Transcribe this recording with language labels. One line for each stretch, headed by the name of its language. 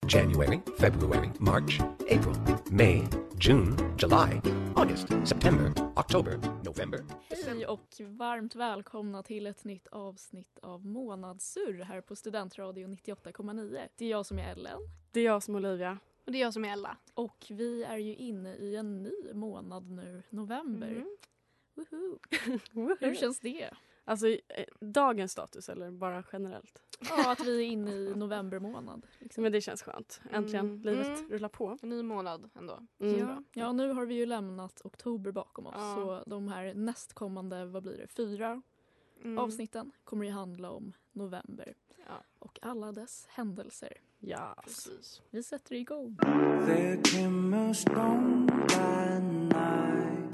English: January, February, March, April, May, June, July, August, September, October, November.
Swedish: Hej och varmt välkomna till ett nytt avsnitt av Månadssurr här på Studentradio 98,9. Det är jag som är Ellen. Det är jag som är Olivia. Och det är jag som är Ella. Och vi är ju inne i en ny månad nu, november. Mm. Woohoo. Hur känns det? Alltså, dagens status eller bara generellt? Ja, att vi är inne i november månad. Liksom. Men det känns skönt. Äntligen livet rullar på. En ny månad ändå. Mm. Ja, nu har vi ju lämnat oktober bakom oss. Ja. Så de här nästkommande, vad blir det, 4 avsnitten kommer ju handla om november. Ja. Och alla dess händelser. Ja, precis. Vi sätter igång.
English: There came a storm by night.